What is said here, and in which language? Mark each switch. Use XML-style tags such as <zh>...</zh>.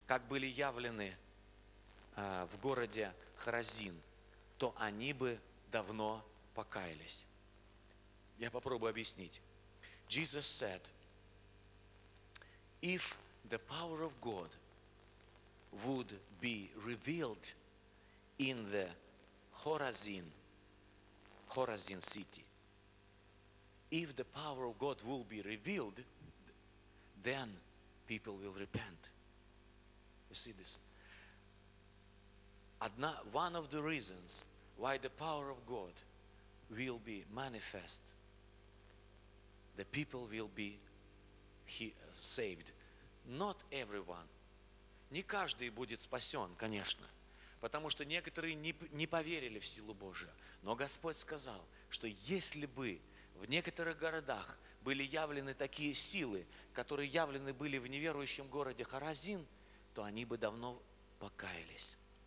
<ru>как были явлены в городе Хорозин, то они бы давно покаялись. Я попробую объяснить.</ru> <en>Jesus said, if the power of God would be revealed in the Chorazin, Chorazin city, if the power of God will be revealed, then people will repent. You see this? One of the reasons why the power of God will be manifest, the people will be saved. Not everyone.</en> <ru>Не каждый будет спасен, конечно, потому что некоторые не поверили в силу Божию. Но Господь сказал, что если бы в некоторых городах были явлены такие силы, которые явлены были в неверующем городе Хорозин, то они бы давно покаялись.</ru>